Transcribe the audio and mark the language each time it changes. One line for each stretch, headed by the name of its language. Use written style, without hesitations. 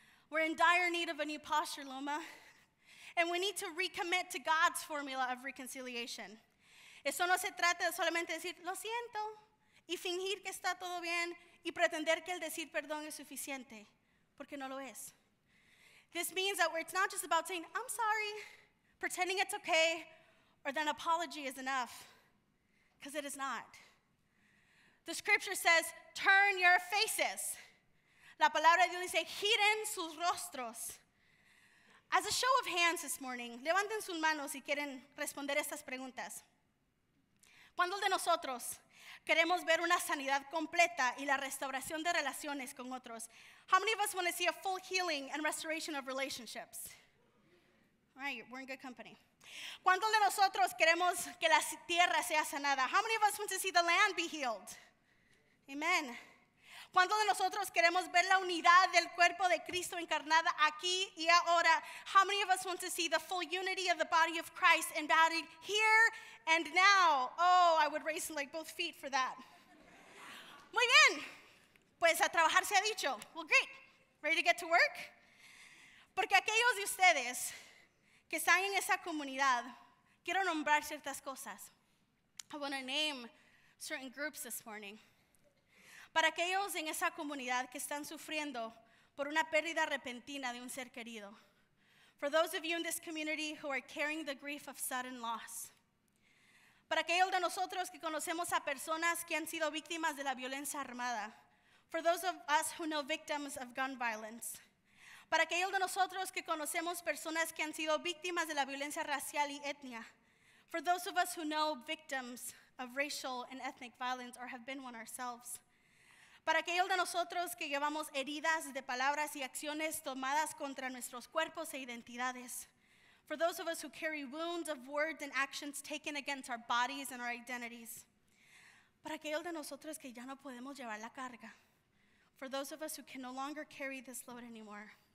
English: We're in dire need of a new posture, Loma. And we need to recommit to God's formula of reconciliation.
Spanish: Eso no se trata de solamente decir, lo siento, y fingir que está todo bien, y pretender que el decir perdón es suficiente, porque no lo es.
English: This means that it's not just about saying, I'm sorry, pretending it's okay, or then apology is enough, because it is not. The scripture says, turn your faces.
Spanish: La palabra de Dios dice, giren sus rostros.
English: As a show of hands this morning,
Spanish: levanten sus manos si quieren responder estas preguntas. ¿Cuándo de nosotros queremos ver una sanidad completa y la restauración de relaciones con otros?
English: How many of us want to see a full healing and restoration of relationships? All right, we're in good company.
Spanish: ¿Cuántos de nosotros queremos que la tierra sea sanada?
English: How many of us want to see the land be healed? Amen.
Spanish: ¿Cuántos de nosotros queremos ver la unidad del cuerpo de Cristo encarnada aquí y ahora?
English: How many of us want to see the full unity of the body of Christ embodied here and now? Oh, I would raise like both feet for that.
Spanish: Muy bien. Pues a trabajar se ha dicho.
English: Well, great. Ready to get to work?
Spanish: Porque aquellos de ustedes que están en esa comunidad, quiero nombrar ciertas cosas.
English: I want to name certain groups this morning.
Spanish: Para aquellos en esa comunidad que están sufriendo por una pérdida repentina de un ser querido.
English: For those of you in this community who are carrying the grief of sudden loss.
Spanish: Para aquellos de nosotros que conocemos a personas que han sido víctimas de la violencia armada.
English: For those of us who know victims of gun violence.
Spanish: Para aquellos de nosotros que conocemos personas que han sido víctimas de la violencia racial y etnia.
English: For those of us who know victims of racial and ethnic violence or have been one ourselves.
Spanish: Para aquellos de nosotros que llevamos heridas de palabras y acciones tomadas contra nuestros cuerpos e identidades.
English: For those of us who carry wounds of words and actions taken against our bodies and our identities.
Spanish: Para aquellos de nosotros que ya no podemos llevar la carga.
English: For those of us who can no longer carry this load anymore.